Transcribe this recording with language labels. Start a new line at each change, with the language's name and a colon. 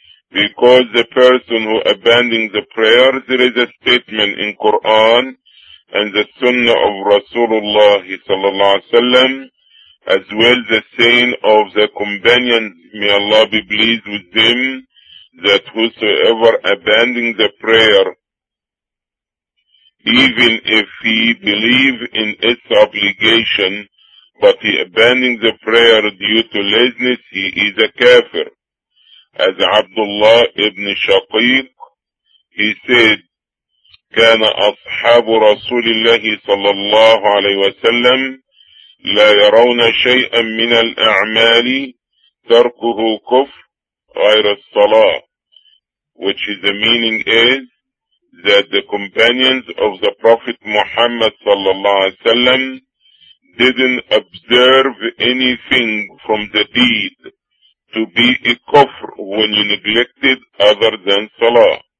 English: Because the person who abandoned the prayer, there is a statement in Quran and the Sunnah of Rasulullah sallallahu alaihi wasallam, as well the saying of the companions, may Allah be pleased with them, that whosoever abandoned the prayer, even if he believe in its obligation, but he abandoned the prayer due to laziness, he is a kafir. As Abdullah ibn Shaqiq, he said,
Arabic: كان أصحاب رسول الله صلى الله عليه وسلم لا يرون شيئا من الأعمال تركه كفر غير الصلاة.
English: Which is the meaning is that the companions of the Prophet Muhammad
Arabic: صلى الله عليه وسلم
English: didn't observe anything from the deed to be a kufr when you neglected other than salah.